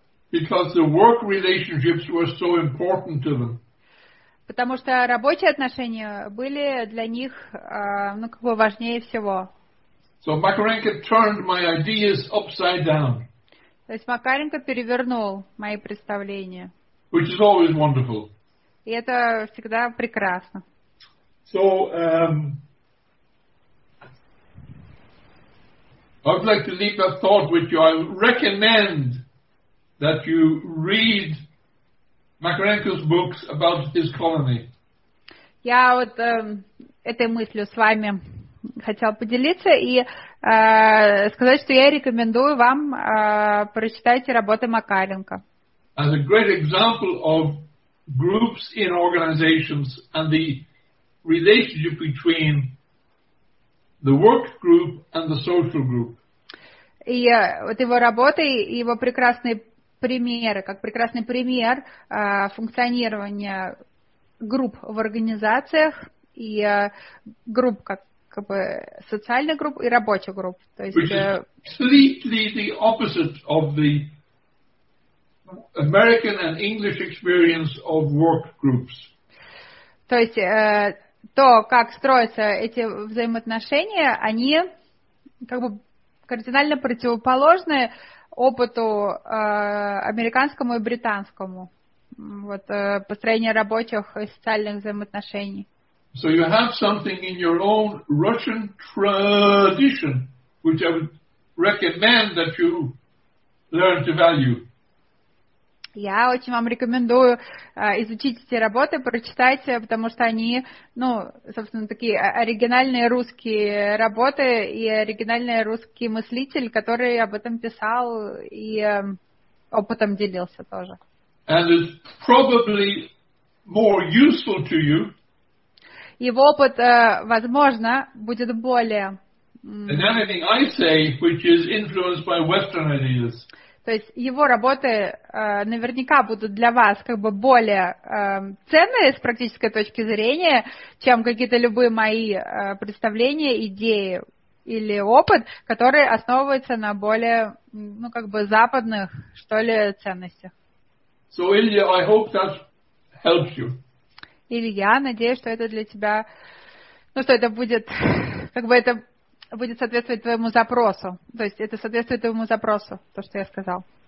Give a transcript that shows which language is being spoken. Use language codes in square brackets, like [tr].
[en] Because the work relationships were so important to them. [ru] Потому что рабочие отношения были для них, ну, как бы важнее всего. [en] So Makarenko turned my ideas upside down. [ru] То есть Макаренко перевернул мои представления. [en] Which is always wonderful. [ru] И это всегда прекрасно. [en] So, I would like to leave a thought with you. I recommend that you read Макаренко's books about his colony. [ru] Я вот этой мыслью с вами хотел поделиться и сказать, что я рекомендую вам прочитать работы Макаренко. [en] As a great example of groups in organizations and the relationship between the work group and the social group. [ru] И вот его работы и его прекрасные примеры, как прекрасный пример функционирования групп в организациях и групп как бы социальных групп и рабочих групп. То есть, [en] which is completely the opposite of the American and English experience of work groups. [ru] То есть то, как строятся эти взаимоотношения, они как бы кардинально противоположны опыту американскому и британскому. Вот построение рабочих и социальных взаимоотношений. [en] So you have something in your own Russian tradition, which I would recommend that you learn to value. [ru] Я очень вам рекомендую изучить эти работы, прочитать, потому что они, ну, собственно, такие оригинальные русские работы и оригинальный русский мыслитель, который об этом писал и опытом делился тоже. [en] And it's probably more useful to you. [ru] Его опыт, возможно, будет более... [en] And anything I say, which is influenced by Western ideas. [ru] То есть его работы наверняка будут для вас как бы более ценные с практической точки зрения, чем какие-то любые мои представления, идеи или опыт, который основывается на более, ну, как бы западных, что ли, ценностях. [en] So, Илья, I hope that helps you. [ru] Илья, надеюсь, что это для тебя, ну, что это будет, как бы это... будет соответствовать твоему запросу. То есть это соответствует твоему запросу, то, что я сказал.